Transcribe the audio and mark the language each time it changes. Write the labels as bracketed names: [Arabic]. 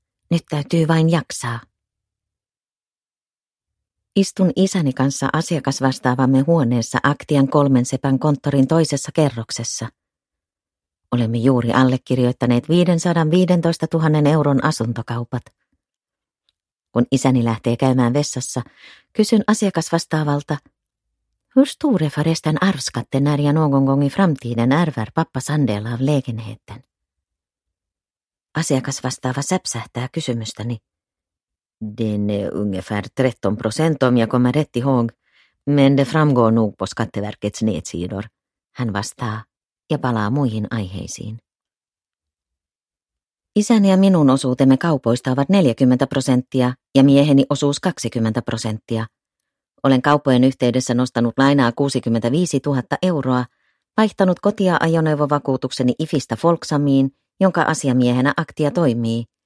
[Finnish] Nyt täytyy vain jaksaa. Istun isäni kanssa asiakasvastaavamme huoneessa Aktian kolmen sepän konttorin toisessa kerroksessa. Olemme juuri allekirjoittaneet 515 000 euron asuntokaupat. Kun isäni lähtee käymään vessassa, kysyn asiakasvastaavalta, [Swedish] hur stora förresten arvskatten är jag någon gång i framtiden ärver pappas andel av lägenheten? [Finnish] Asiakasvastaava säpsähtää kysymystäni. [Swedish] Den är ungefär 13% om jag kommer rätt ihåg, men det framgår nog på Skatteverkets nedsidor. [Finnish] Hän vastaa ja palaa muihin aiheisiin. Isäni ja minun osuutemme kaupoista ovat 40% ja mieheni osuus 20%. Olen kauppojen yhteydessä nostanut lainaa 65 000 euroa, vaihtanut kotia ajoneuvovakuutukseni IFistä Folksamiin, jonka asiamiehenä Aktia toimii.